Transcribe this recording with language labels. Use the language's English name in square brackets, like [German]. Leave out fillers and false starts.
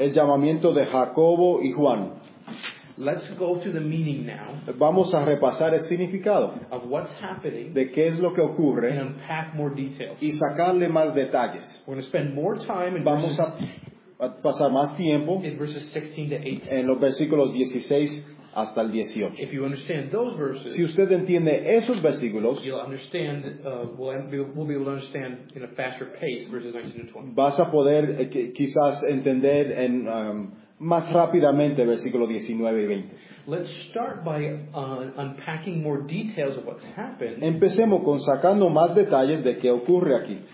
[Spanish] el llamamiento de Jacobo y Juan. [English] Let's go through the meaning now. [Spanish] Vamos a repasar el significado [English] of what's happening, [Spanish] de qué es lo que ocurre, [English] and unpack more details. [Spanish] Y sacarle más detalles. [English] We're going to spend more time in [Spanish] vamos [English] verses, [Spanish] a pasar más tiempo [English] in verses 16 to 18. [Spanish] En los versículos 16 hasta el 18. [English] If you understand those verses, [Spanish] si usted entiende esos versículos, [English] you'll understand, we'll be able to understand in a faster pace verses 19 to 20. [Spanish] Vas a poder quizás entender en más rápidamente, versículo 19 y 20. [English] Let's start by unpacking more details of what's happened. [Spanish] Empecemos con sacando más detalles de qué ocurre aquí.